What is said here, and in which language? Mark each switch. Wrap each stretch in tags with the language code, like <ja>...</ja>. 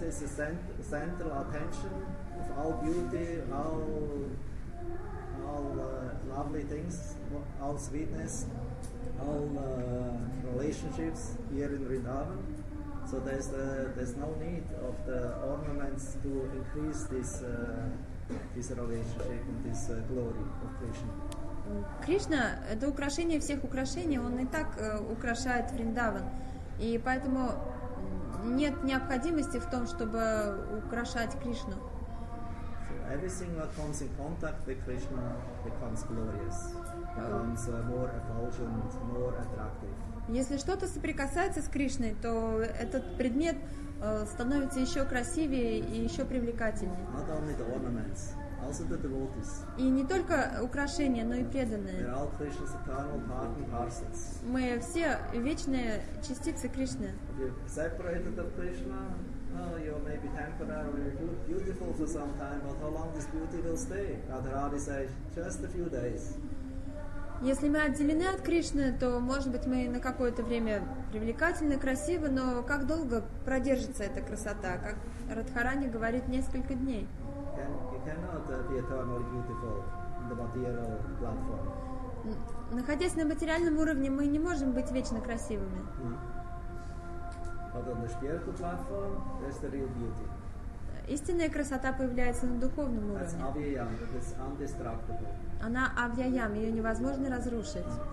<en>He's the central attention of all beauty, all lovely things, all sweetness, all relationships here in Vrindavan. So there's no need of the ornaments to increase this relationship and this glory of Krishna.</en> <ru>Кришна — это украшение всех украшений, он и так украшает Вриндаван. И поэтому нет необходимости в том, чтобы украшать Кришну.</ru> <en>So everything that comes in contact with Krishna becomes glorious, becomes more effulgent, more attractive.</en> <ru>Если что-то соприкасается с Кришной, то этот предмет становится еще красивее и еще привлекательнее.</ru> <en>Not only the ornaments. Also the devotees.</en> <ru>И не только украшения, но и преданные.</ru> <en>They're all Krishna's eternal part and parcels.</en> <ru>Мы все вечные частицы Кришны.</ru> <en>If you're separated from Krishna, you may be temporarily beautiful for some time, but how long this beauty will stay? Radharani says, just a few days.</en> <ru>Если мы отделены от Кришны, то, может быть, мы на какое-то время привлекательны, красивы, но как долго продержится эта красота? Как Радхарани говорит, несколько дней.</ru> <en>Cannot be eternally beautiful on the material platform.</en> <ru>Находясь на материальном уровне, мы не можем быть вечно красивыми.</ru> <en>But on the spiritual platform, there's the real beauty.</en> <ru>Истинная красота появляется на духовном уровне.</ru> <en>That's avyayam, that is indestructible.</en> <ru>Она авьяям, ее невозможно разрушить.</ru>